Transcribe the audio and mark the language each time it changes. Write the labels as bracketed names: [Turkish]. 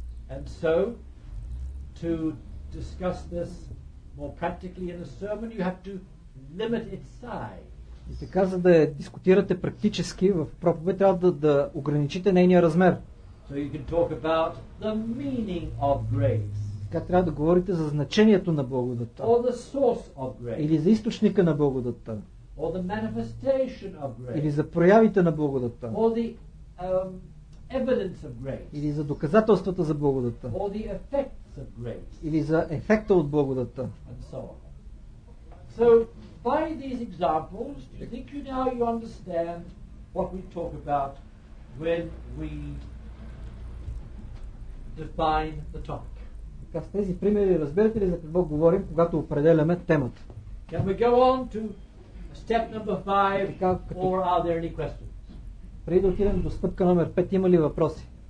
[English] And so, to discuss this more practically in a sermon, you have to limit its size. [Bulgarian] И така, за да дискутирате практически в проповед, трябва да ограничите нейния размер. [English] So you can talk about the meaning of grace. [Bulgarian] Така трябва да говорите за значението на благодата. [English] Or the source of grace. [Bulgarian] Или за източника на благодата. [English] Or the manifestation of grace. [Bulgarian] Или за проявите на благодата. [English] Or the, evidence of grace. [Bulgarian] Или за доказателствата за благодата. [English] Or the effects of grace. [Bulgarian] Или за ефекта от благодата. [English] And so on. So, by these examples, do you think you now you understand what we talk about when we define the topic? [Bulgarian] С тези примери разбирате ли за какво говорим, когато определяме темата? [English] Can we go on to step number 5 or are there any questions? [Bulgarian] Преди да отидем до стъпка номер 5, има ли въпроси?